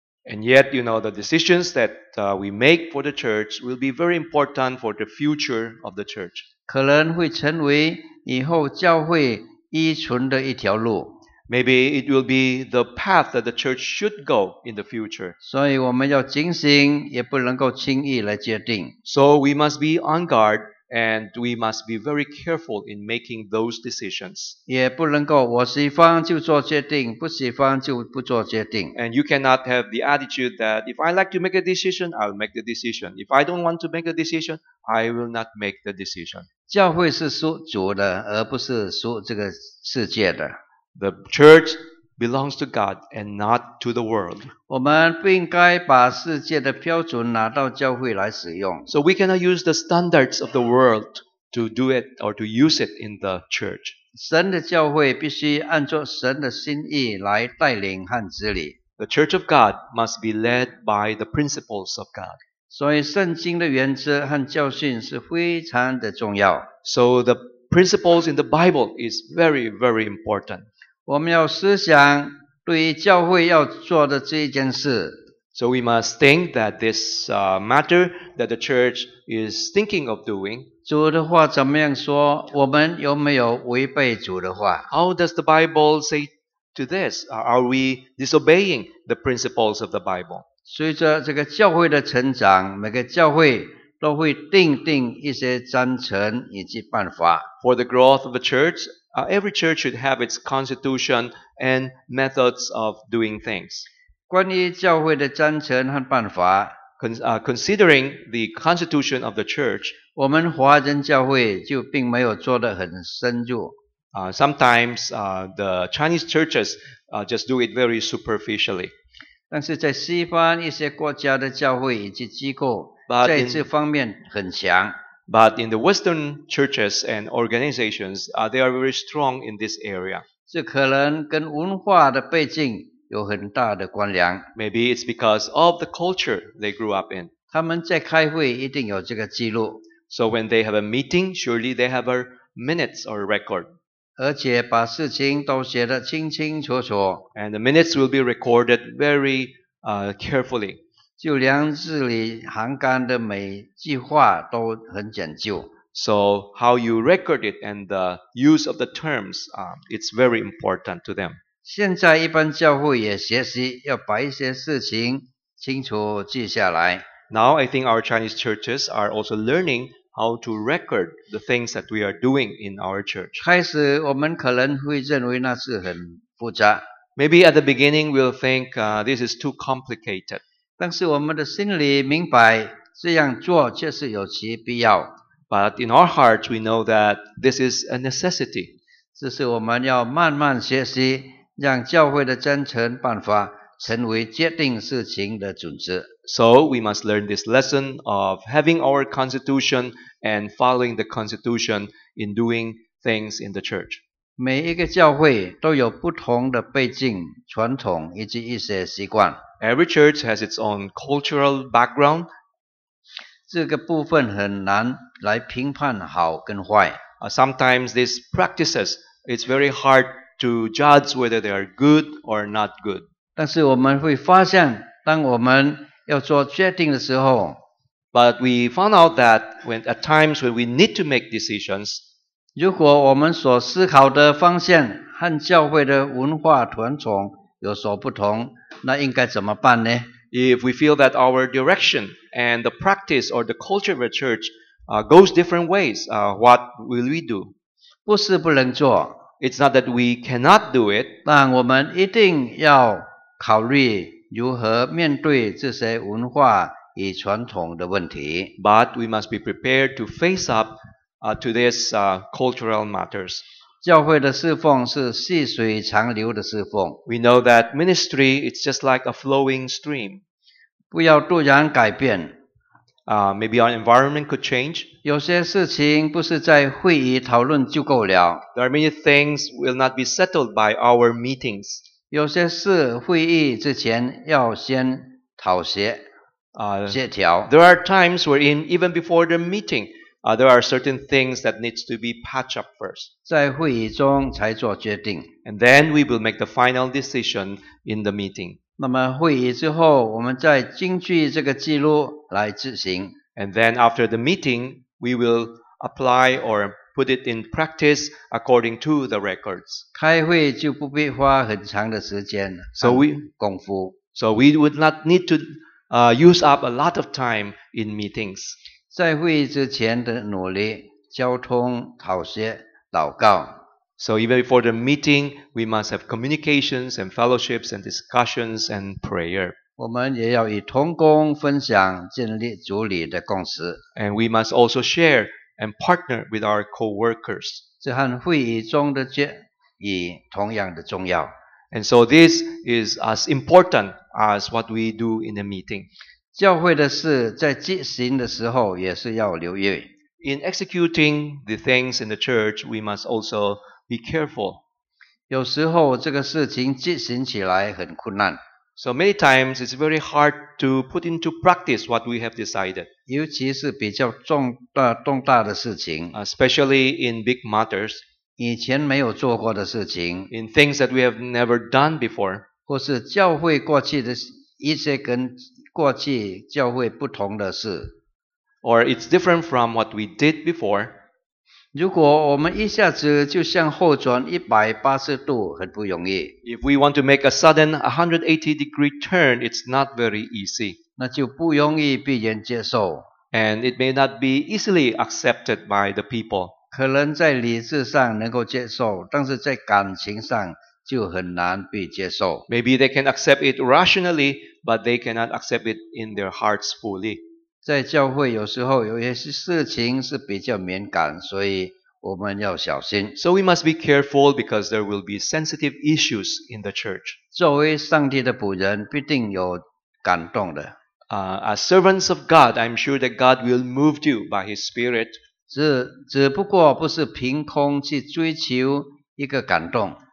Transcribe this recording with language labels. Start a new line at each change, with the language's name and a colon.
English: And yet, you know, the decisions that we make for the church will be very important for the future of the church.
Chinese: 可能会成为以后教会依存的一条路。
English: Maybe it will be the path that the church should go in the future.
Chinese: 所以我们要警醒，也不能够轻易来决定。
English: So we must be on guard and we must be very careful in making those decisions.
Chinese: 也不能够我喜欢就做决定，不喜欢就不做决定。
English: And you cannot have the attitude that if I like to make a decision, I'll make the decision. If I don't want to make a decision, I will not make the decision.
Chinese: 教会是属主的，而不是属这个世界的。
English: The church belongs to God and not to the world.
Chinese: 我们不应该把世界的标准拿到教会来使用。
English: So we cannot use the standards of the world to do it or to use it in the church.
Chinese: 神的教会必须按照神的心意来带领和治理。
English: The church of God must be led by the principles of God.
Chinese: 所以圣经的原则和教训是非常的重要。
English: So the principles in the Bible is very, very important.
Chinese: 我们要思想对于教会要做的这一件事。
English: So we must think that this matter that the church is thinking of doing.
Chinese: 主的话怎么样说？我们有没有违背主的话
English: ？How does the Bible say to this? Are we disobeying the principles of the Bible?
Chinese: 随着这个教会的成长，每个教会都会订定一些章程以及办法。
English: For the growth of the church,every church should have its constitution and methods of doing things.
Chinese: 关于教会的章程和办法
English: considering the constitution of the church,
Chinese: 我们华人教会就并没有做得很深入。
English: Sometimes the Chinese churches just do it very superficially.
Chinese: 但是在西方一些国家的教会以及机构
English: But
Chinese: 在这方面很强。
English: But in the Western churches and organizations, they are very strong in this area.
Chinese: 这可能跟文化的背景有很大的关联。
English: Maybe it's because of the culture they grew up in.
Chinese: 他们在开会一定有这个记录。
English: So when they have a meeting, surely they have a minutes or a record.
Chinese: 而且把事情都写得清清楚楚。
English: And the minutes will be recorded very carefully.
Chinese: 就连字里行间的每句话都很讲究。
English: So how you record it and the use of the terms, it's very important to them.
Chinese: 现在一般教会也学习要把一些事情清楚记下来。
English: Now I think our Chinese churches are also learning how to record the things that we are doing in our church.
Chinese: 开始我们可能会认为那是很复杂。
English: Maybe at the beginning we'll think this is too complicated.
Chinese: 但是我们的心里明白，这样做确实有其必要。
English: But in our hearts, we know that this is a necessity.
Chinese: 这是我们要慢慢学习，让教会的真诚办法成为决定事情的准则。
English: So we must learn this lesson of having our constitution and following the constitution in doing things in the church.
Chinese: 每一个教会都有不同的背景、传统以及一些习惯。
English: Every church has its own cultural background.
Chinese: 这个部分很难来评判好跟坏。
English: Sometimes these practices, it's very hard to judge whether they are good or not good.
Chinese: 但是我们会发现，当我们要做决定的时候
English: ，But we found out that when at times when we need to make decisions,
Chinese: 如果我们所思考的方向和教会的文化传统有所不同，那应该怎么办呢
English: ？If we feel that our direction and the practice or the culture of a church goes different ways, what will we do？
Chinese: 不是不能做
English: ，It's not that we cannot do it。
Chinese: 但我们一定要考虑如何面对这些文化与传统的问题。
English: But we must be prepared to face up to these cultural matters。
Chinese: 教会的侍奉是细水长流的侍奉。
English: We know that ministry is just like a flowing stream.
Chinese: 不要突然改变。
English: Maybe our environment could change.
Chinese: 有些事情不是在会议讨论就够了。
English: There are many things will not be settled by our meetings.
Chinese: 有些事会议之前要先讨协。
English: There are times wherein even before the meeting, there are certain things that needs to be patched up first.
Chinese: 在会议中才做决定。
English: And then we will make the final decision in the meeting.
Chinese: 那么会议之后，我们再根据这个记录来执行。
English: And then after the meeting, we will apply or put it in practice according to the records.
Chinese: 开会就不必花很长的时间，功夫。
English: So we would not need to use up a lot of time in meetings.
Chinese: 在会议之前的努力，交通、讨协、祷告。
English: So even before the meeting, we must have communications and fellowships and discussions and prayer.
Chinese: 我们也要以同工分享建立主里的共识。
English: And we must also share and partner with our co-workers.
Chinese: 这和会议中的决议同样的重要。
English: And so this is as important as what we do in the meeting.
Chinese: 教会的事在执行的时候也是要留意。
English: In executing the things in the church, we must also be careful.
Chinese: 有时候这个事情执行起来很困难。
English: So many times it's very hard to put into practice what we have decided.
Chinese: 尤其是比较重大的事情。
English: Especially in big matters.
Chinese: 以前没有做过的事情
English: ，in things that we have never done before，
Chinese: 或是教会过去的一些跟过去教会不同的事
English: ，or it's different from what we did before。
Chinese: 如果我们一下子就向后转180度，很不容易。
English: If we want to make a sudden 180 degree turn， it's not very easy。
Chinese: 那就不容易被人接受
English: ，and it may not be easily accepted by the people。
Chinese: 可能在理智上能够接受，但是在感情上就很难被接受。
English: Maybe they can accept it rationally, but they cannot accept it in their hearts fully.
Chinese: 在教会有时候有些事情是比较敏感，所以我们要小心。
English: So we must be careful because there will be sensitive issues in the church.
Chinese: 作为上帝的仆人，必定有感动的。
English: As servants of God, I'm sure that God will move you by His Spirit.
Chinese: 只不过不是凭空去追求一个感动。